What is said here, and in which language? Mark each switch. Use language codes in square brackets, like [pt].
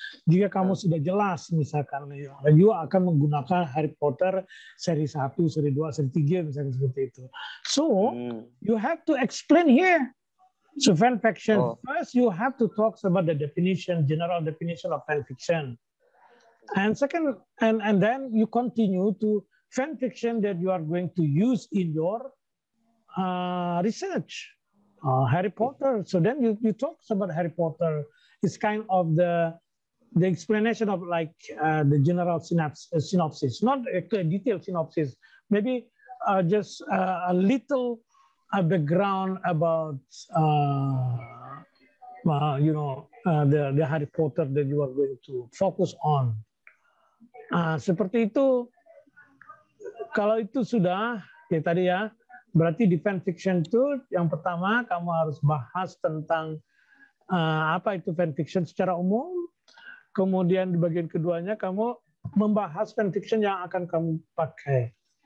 [id] Jika kamu sudah jelas, misalkan, you akan menggunakan Harry Potter seri 1, seri 2, seri 3, misalkan seperti itu. [en] So, you have to explain here. So, fan fiction. Oh. First, you have to talk about the definition, general definition of fan fiction. And second, and then you continue to fan fiction that you are going to use in your research. Harry Potter. So then you talk about Harry Potter. It's kind of the explanation of like the general synopsis, not a detailed synopsis. Maybe just a little background about the Harry Potter that you are going to focus on. [id] Seperti itu. Kalau itu sudah ya tadi ya. Berarti di fan fiction itu yang pertama kamu harus bahas tentang apa itu fan fiction secara umum. Kemudian di bagian keduanya kamu membahas fan fiction yang akan kamu pakai.